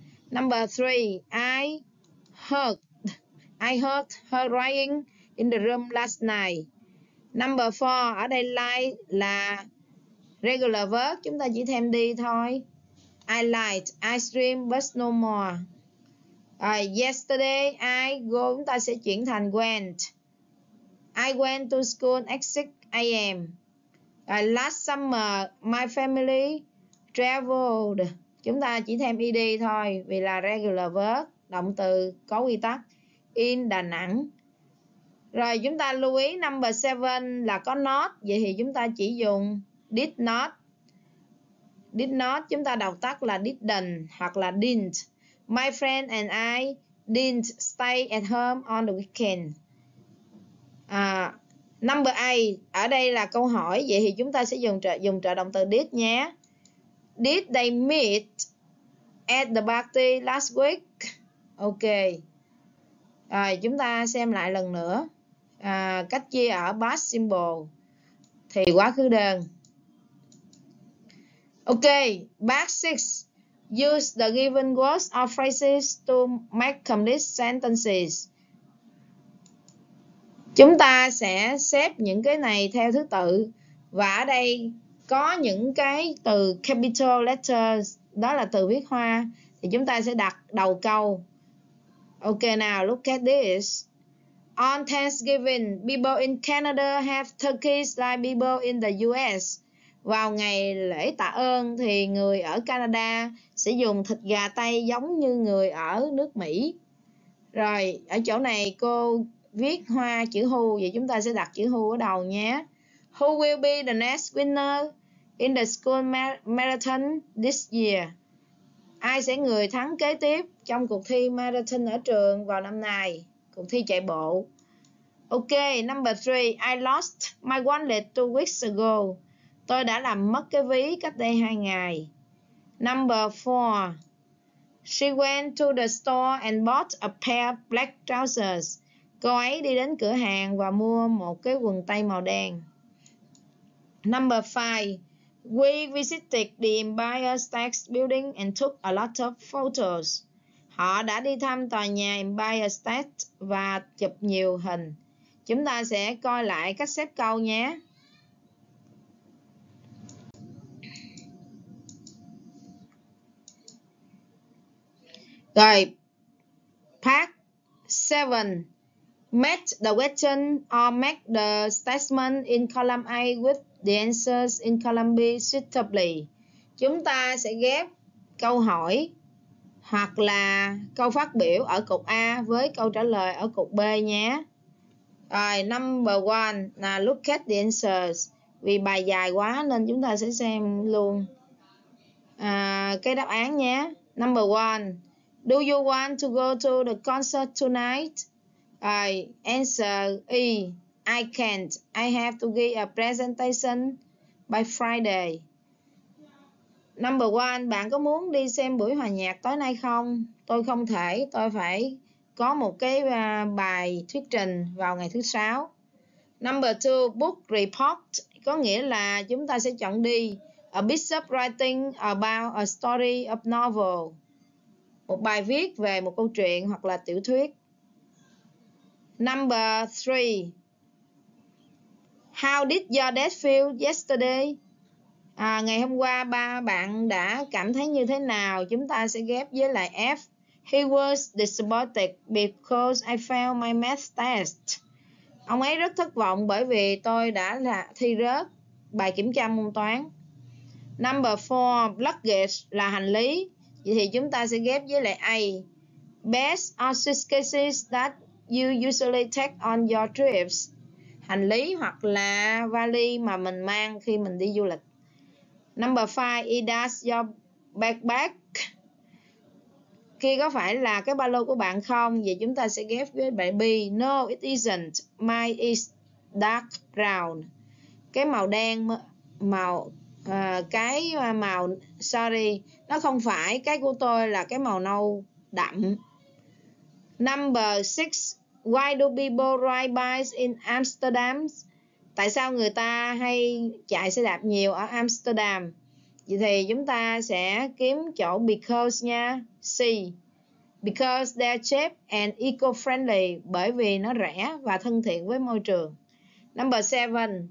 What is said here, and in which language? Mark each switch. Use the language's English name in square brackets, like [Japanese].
[English] Number 3, I heard her crying in the room last night. [Vietnamese] Number 4, ở đây like là regular verb, chúng ta chỉ thêm đi thôi. [English] I liked ice cream but no more. Yesterday I go, [Vietnamese] chúng ta sẽ chuyển thành [English] went. I went to school at 6 a.m. Last summer my family traveled. [Vietnamese] Chúng ta chỉ thêm ed thôi vì là regular verb, động từ có quy tắc. [English] In Đà Nẵng. [Vietnamese] Rồi chúng ta lưu ý number 7 là có not. Vậy thì chúng ta chỉ dùng did not. Did not chúng ta đọc tắt là didn't hoặc là didn't. [English] My friend and I didn't stay at home on the weekend. [Vietnamese] Number A, ở đây là câu hỏi, vậy thì chúng ta sẽ dùng trợ động từ did nhé. [English] Did they meet at the party last week? Ok. [Vietnamese] Rồi, chúng ta xem lại lần nữa. À, cách chia ở past simple thì quá khứ đơn. [English] Ok, past 6. Use the given words or phrases to make complete sentences. [Vietnamese] Chúng ta sẽ xếp những cái này theo thứ tự. Và ở đây có những cái từ capital letters, đó là từ viết hoa, thì chúng ta sẽ đặt đầu câu. [English] Ok nào, look at this. On Thanksgiving, people in Canada have turkeys like people in the US. [Vietnamese] Vào ngày lễ tạ ơn thì người ở Canada sẽ dùng thịt gà Tây giống như người ở nước Mỹ. Rồi, ở chỗ này cô viết hoa chữ who, vậy chúng ta sẽ đặt chữ who ở đầu nhé. [English] Who will be the next winner in the school marathon this year? [Vietnamese] Ai sẽ người thắng kế tiếp trong cuộc thi marathon ở trường vào năm nay? Cuộc thi chạy bộ. [English] Ok, number 3. I lost my wallet 2 weeks ago. [Vietnamese] Tôi đã làm mất cái ví cách đây 2 ngày. [English] Number 4. She went to the store and bought a pair of black trousers. [Vietnamese] Cô ấy đi đến cửa hàng và mua một cái quần tây màu đen. [English] Number 5. We visited the Empire State Building and took a lot of photos. [Vietnamese] Họ đã đi thăm tòa nhà Empire State và chụp nhiều hình. Chúng ta sẽ coi lại cách xếp câu nhé. [English] Part 7. Make the question or make the statement in column A with the answers in column B suitably. [Vietnamese] Chúng ta sẽ ghép câu hỏi hoặc là câu phát biểu ở cục A với câu trả lời ở cục B nhé. Rồi, number one là [English] look at the answers. [Vietnamese] Vì bài dài quá nên chúng ta sẽ xem luôn cái đáp án nhé. [English] Number one, do you want to go to the concert tonight? [Vietnamese] Rồi, [English] answer E, I can't. I have to give a presentation by Friday. Number one, [Vietnamese] bạn có muốn đi xem buổi hòa nhạc tối nay không? Tôi không thể, tôi phải có một cái bài thuyết trình vào ngày thứ sáu. [English] Number two, book report, [Vietnamese] có nghĩa là chúng ta sẽ chọn đi. [English] A piece of writing about a story of novel. [Vietnamese] Một bài viết về một câu chuyện hoặc là tiểu thuyết. [English] Number three, how did your dad feel yesterday? [Vietnamese] À, ngày hôm qua ba bạn đã cảm thấy như thế nào? Chúng ta sẽ ghép với lại F. [English] He was disappointed because I failed my math test. [Vietnamese] Ông ấy rất thất vọng bởi vì tôi đã là thi rớt bài kiểm tra môn toán. [English] Number 4, [Vietnamese] luggage là hành lý. Vậy thì chúng ta sẽ ghép với lại A. [English] Bags are suitcases that you usually take on your trips. [Vietnamese] Hành lý hoặc là vali mà mình mang khi mình đi du lịch. [English] Number 5, it does your backpack. [Vietnamese] Khi có phải là cái ba lô của bạn không? Vậy chúng ta sẽ ghép với bài B. [English] No, it isn't. Mine is dark brown. [Vietnamese] Cái màu đen, màu, cái màu, sorry, nó không phải, cái của tôi là cái màu nâu đậm. [English] Number 6, why do people ride bikes in Amsterdam? [Vietnamese] Tại sao người ta hay chạy xe đạp nhiều ở Amsterdam? Vậy thì chúng ta sẽ kiếm chỗ because nha. C. [English] Because they're cheap and eco-friendly. [Vietnamese] Bởi vì nó rẻ và thân thiện với môi trường. [English] Number 7.